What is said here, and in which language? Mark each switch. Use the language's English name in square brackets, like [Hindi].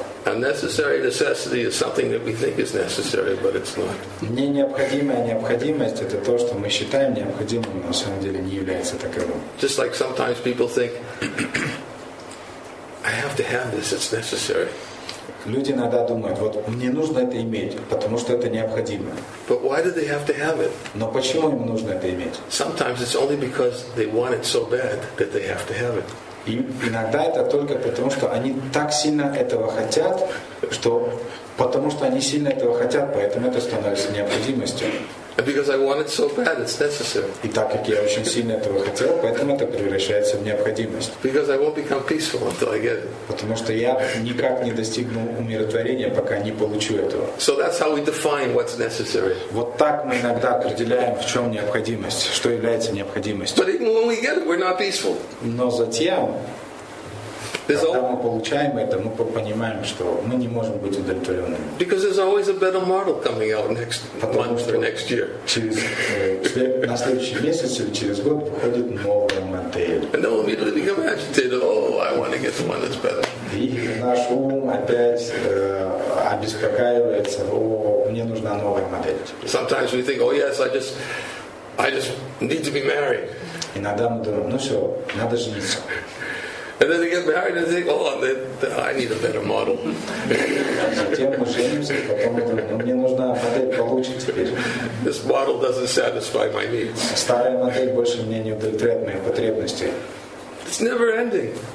[English] Unnecessary necessity is something that we think is necessary, but it's not. [Russian] Не необходимая необходимость это то, что мы считаем необходимым, но на самом деле не является таковым. [English] Just like sometimes people think, I have to have this, it's necessary. [Russian] Люди иногда думают, вот мне нужно это иметь, потому что это необходимо. [English] But why do they have to have it? [Russian] Но почему им нужно это иметь? [English] Sometimes it's only because they want it so bad that they have to have it. [Russian] И иногда это только потому, что они так сильно этого хотят, что потому что они сильно этого хотят, поэтому это становится необходимостью. [English] Because I want it so bad, it's necessary. [Russian] И так как я очень сильно этого хотел, поэтому это превращается в необходимость. [English] Because I won't become peaceful until I get it. [Russian] Потому что я никак не достигну умиротворения, пока не получу этого. [English] So that's how we define what's necessary. [Russian] Вот так мы иногда определяем, в чем необходимость, что является необходимостью. [English] But even when we get it, we're not peaceful. [Russian] Но затем, когда мы получаем это, мы понимаем, что мы не можем быть удовлетворенными. [English] Because there's always a better model coming out next month or next year. [Russian] Через на следующий месяц или через год выходит новая модель. [English] And then we immediately become agitated. Oh, I want to get the one that's better. [Russian] И наш ум опять обеспокаивается. О, мне нужна новая модель. [English] Sometimes we think, oh yes, I just need to be married. [Russian] Иногда мы думаем, ну все, надо жениться. [English] And then they get married and think, oh, I need a better model. This model doesn't satisfy my needs. It's never ending.